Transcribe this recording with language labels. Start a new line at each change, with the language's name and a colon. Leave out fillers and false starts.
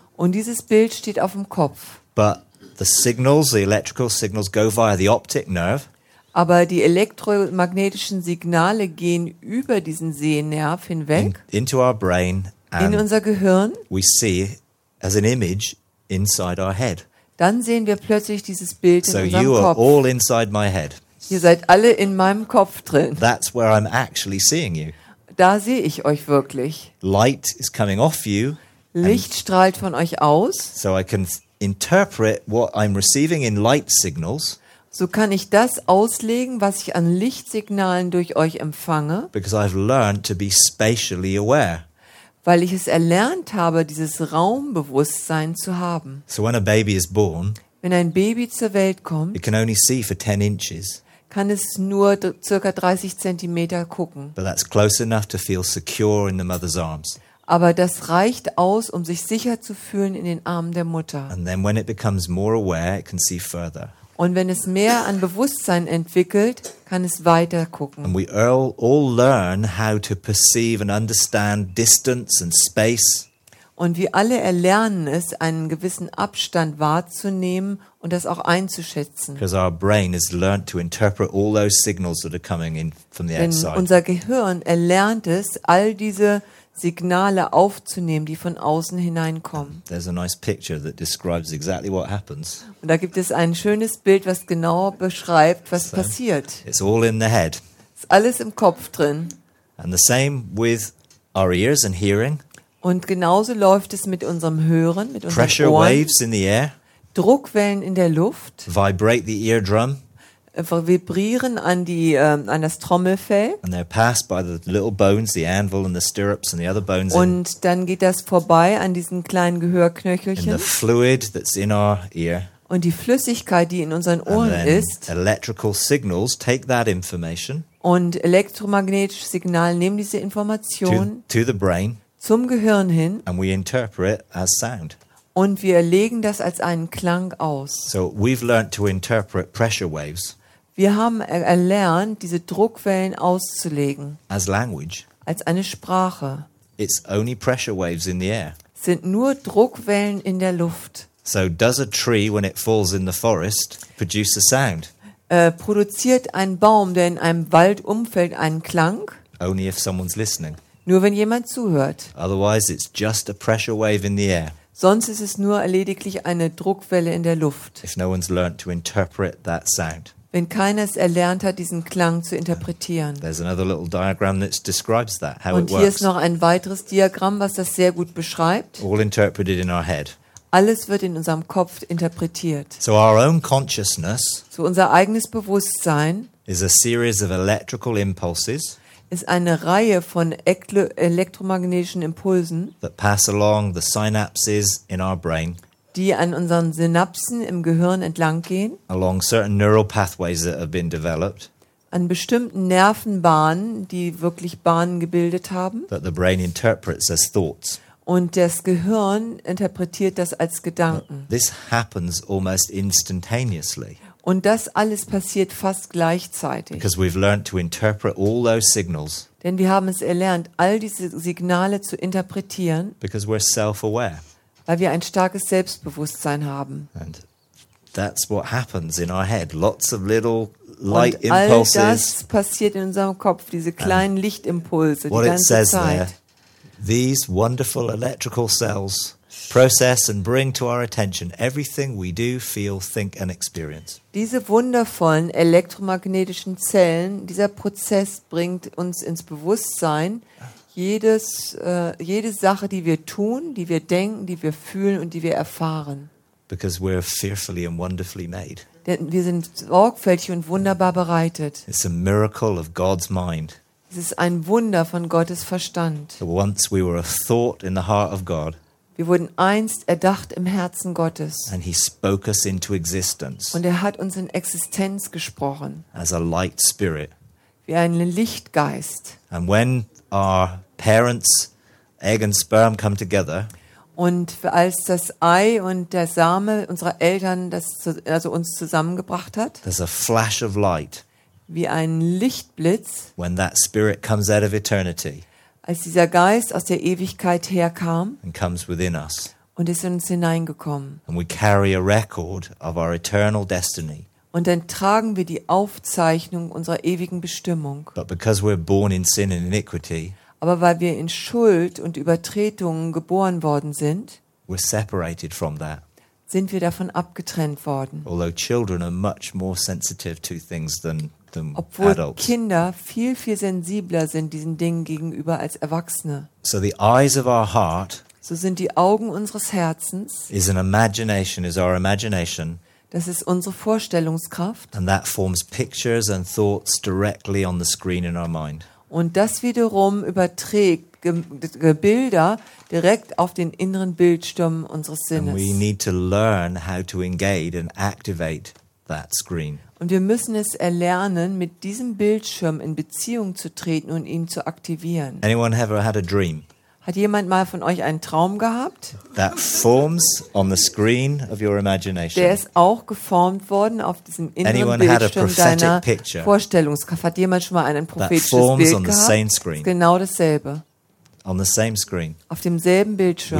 German: Und dieses Bild steht auf dem Kopf.
English: But the signals, the electrical signals, go via the optic nerve.
German: Aber die elektromagnetischen Signale gehen über diesen Sehnerv hinweg.
English: Into our brain.
German: And in unser Gehirn.
English: We see as an image inside our head.
German: Dann sehen wir plötzlich dieses Bild so in unserem Kopf.
English: So you are all inside my head.
German: Ihr seid alle in meinem Kopf drin.
English: That's where I'm actually seeing you.
German: Da sehe ich euch wirklich.
English: Light is coming off you.
German: Licht strahlt von euch aus.
English: So I can interpret what I'm receiving in light signals.
German: So kann ich das auslegen, was ich an Lichtsignalen durch euch empfange.
English: Because I've learned to be spatially aware.
German: Weil ich es erlernt habe, dieses Raumbewusstsein zu haben.
English: So when a baby is born,
German: wenn ein Baby zur Welt kommt,
English: it can only see for 10 inches.
German: Kann es nur ca. 30 cm gucken.
English: But that's close enough to feel secure in the mother's arms.
German: Aber das reicht aus, um sich sicher zu fühlen in den Armen der Mutter.
English: And then when it becomes more aware, it can see further.
German: Und wenn es mehr an Bewusstsein entwickelt, kann es weiter gucken.
English: And we all learn how to perceive and understand distance and space.
German: Und wir alle erlernen es, einen gewissen Abstand wahrzunehmen und das auch einzuschätzen.
English: Because our brain has learned to interpret all those signals that are coming in from the outside.
German: Denn unser Gehirn erlernt es, all diese Signale aufzunehmen, die von außen hineinkommen.
English: There's a nice picture that describes exactly what happens.
German: Und da gibt es ein schönes Bild, was genau beschreibt, was passiert.
English: It's all in the head.
German: Ist alles im Kopf drin.
English: And the same with our ears and hearing.
German: Und genauso läuft es mit unserem Hören, mit unseren
English: Pressure
German: Ohren.
English: Waves in the air.
German: Druckwellen in der Luft.
English: Vibrate the eardrum.
German: Vibrieren an die an das Trommelfell.
English: And they're passed by the little bones, the anvil and the stirrups and the other bones.
German: Und dann geht das vorbei an diesen kleinen Gehörknöchelchen.
English: And the fluid that's in our ear.
German: Und die Flüssigkeit, die in unseren Ohren ist.
English: Electrical signals take that information.
German: Und elektromagnetische Signale nehmen diese Information
English: to the brain.
German: Zum Gehirn hin.
English: And we interpret as sound.
German: Und wir legen das als einen Klang aus.
English: So we've learned to interpret pressure waves.
German: Wir haben erlernt, diese Druckwellen auszulegen.
English: As language.
German: Als eine Sprache.
English: It's only pressure waves in the air.
German: Sind nur Druckwellen in der Luft.
English: So does a tree when it falls in the forest produce a sound?
German: Produziert ein Baum, der in einem Wald umfällt, einen Klang?
English: Only if someone's listening.
German: Nur wenn jemand zuhört.
English: Otherwise it's just a pressure wave in the air.
German: Sonst ist es nur lediglich eine Druckwelle in der Luft.
English: If no one's learned to interpret that sound.
German: Wenn keiner es erlernt hat, diesen Klang zu interpretieren.
English: There's another little diagram that describes that, how it works.
German: Und hier ist noch ein weiteres Diagramm, was das sehr gut beschreibt.
English: All interpreted in our head.
German: Alles wird in unserem Kopf interpretiert.
English: So our own consciousness.
German: So unser eigenes Bewusstsein.
English: Is a series of electrical impulses.
German: Ist eine Reihe von elektromagnetischen Impulsen,
English: that pass along the synapses in our brain,
German: die an unseren Synapsen im Gehirn entlanggehen,
English: along certain neural pathways that have been developed,
German: an bestimmten Nervenbahnen, die wirklich Bahnen gebildet haben,
English: that the brain interprets as thoughts.
German: Und das Gehirn interpretiert das als Gedanken.
English: But this happens almost instantaneously.
German: Und das alles passiert fast gleichzeitig.
English: Because we've learned to interpret all those signals.
German: Denn wir haben es erlernt, all diese Signale zu interpretieren.
English: Because we're self-aware.
German: Weil wir ein starkes Selbstbewusstsein haben.
English: And that's what happens in our head. Lots of little light impulses.
German: Und all das passiert in unserem Kopf, diese kleinen Lichtimpulse die ganze Zeit.
English: What it says there, these wonderful electrical cells process and bring to our attention everything we do, feel, think and experience.
German: Diese wundervollen elektromagnetischen Zellen, dieser Prozess bringt uns ins Bewusstsein, jede Sache, die wir tun, die wir denken, die wir fühlen und die wir erfahren.
English: Because we're fearfully and wonderfully made.
German: Denn wir sind sorgfältig und wunderbar bereitet.
English: It's a miracle of God's mind.
German: Es ist ein Wunder von Gottes Verstand.
English: Once we were a thought in the heart of God.
German: Wir wurden einst erdacht im Herzen Gottes.
English: And he spoke us into existence.
German: Und er hat uns in Existenz gesprochen.
English: As a light spirit.
German: Wie ein Lichtgeist.
English: And when our parents, egg and sperm, come together.
German: Und als das Ei und der Same unserer Eltern das zu, also uns zusammengebracht hat.
English: There's a flash of light.
German: Wie ein Lichtblitz.
English: When that spirit comes out of eternity.
German: Als dieser Geist aus der Ewigkeit herkam
English: and comes within us.
German: Und ist in uns hineingekommen.
English: And we carry a record of our eternal destiny.
German: Und dann tragen wir die Aufzeichnung unserer ewigen Bestimmung.
English: But because we're born in sin and iniquity,
German: aber weil wir in Schuld und Übertretungen geboren worden sind,
English: we're separated from that.
German: Sind wir davon abgetrennt worden.
English: Although children are much more sensitive to things than
German: obwohl Kinder viel, viel sensibler sind diesen Dingen gegenüber als Erwachsene.
English: So, the eyes of our heart,
German: so sind die Augen unseres Herzens.
English: Is an imagination, is our imagination,
German: das ist unsere Vorstellungskraft.
English: And that forms pictures and thoughts directly on the screen in our mind.
German: Und das wiederum überträgt Bilder direkt auf den inneren Bildschirm unseres Sinnes.
English: And we need to learn how to engage and activate that screen.
German: Und wir müssen es erlernen, mit diesem Bildschirm in Beziehung zu treten und ihn zu aktivieren.
English: Anyone ever had a dream?
German: Hat jemand mal von euch einen Traum gehabt?
English: That forms on the screen of your imagination.
German: Der ist auch geformt worden auf diesem inneren
English: Anyone
German: Bildschirm
English: had a prophetic
German: deiner
English: picture?
German: Vorstellungskraft. Hat jemand schon mal ein prophetisches
English: that forms
German: Bild
English: on
German: gehabt?
English: The same screen.
German: Ist genau dasselbe.
English: On the same screen.
German: Auf demselben Bildschirm.